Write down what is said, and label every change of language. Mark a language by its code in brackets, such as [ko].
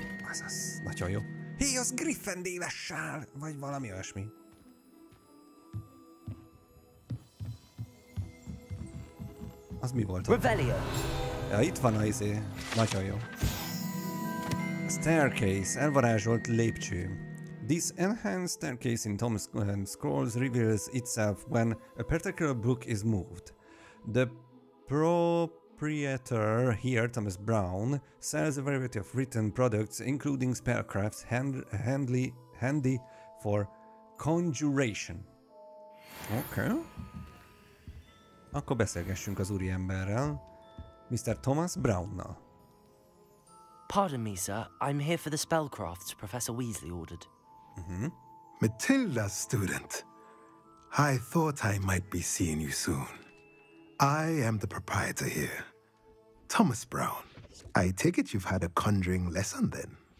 [hu] Azaz, nagyon jó. Hé, az Gryffindor-sál! Vagy valami olyasmi. Az mi volt? Revelio! Ja, itt van a izé. Nagyon jó. Staircase, elvarázsolt lépcső. [en] This enhanced staircase in Thomas Scrolls reveals itself when a particular book is moved. The proprietor here, Thomas Brown, sells a variety of written products, including spellcrafts handy for conjuration. Okay. [hu] Akkor beszélgessünk az úriemberrel, Mr. Thomas Brown-nal. [en] Pardon me, sir. I'm here for the spellcrafts Professor Weasley ordered. Mm-hmm. Matilda, student, I thought I might be seeing you soon. I am the proprietor here, Thomas Brown. I take it you've had a conjuring lesson then?